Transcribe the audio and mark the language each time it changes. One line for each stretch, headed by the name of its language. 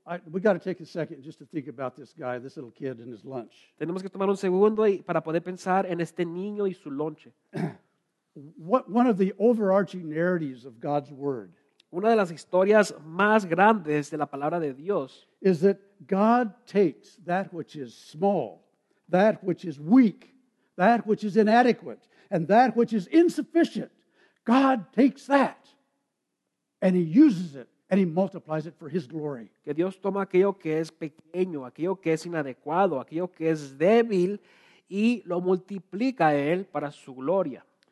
English: We got to take a second just to think about this guy, this little kid and his lunch.
Spanish: Tenemos que tomar un segundo para poder pensar en este niño y su lonche.
English: What one of the overarching narratives of God's word?
Spanish: Una de las historias más grandes de la palabra de Dios
English: is that God takes that which is small, that which is weak, that which is inadequate, and that which is insufficient. God takes that and He uses it. And He multiplies it for His glory.
Spanish: Que Dios toma aquello que es pequeño, aquello que es inadecuado, aquello que es débil, y lo multiplica Él para su gloria.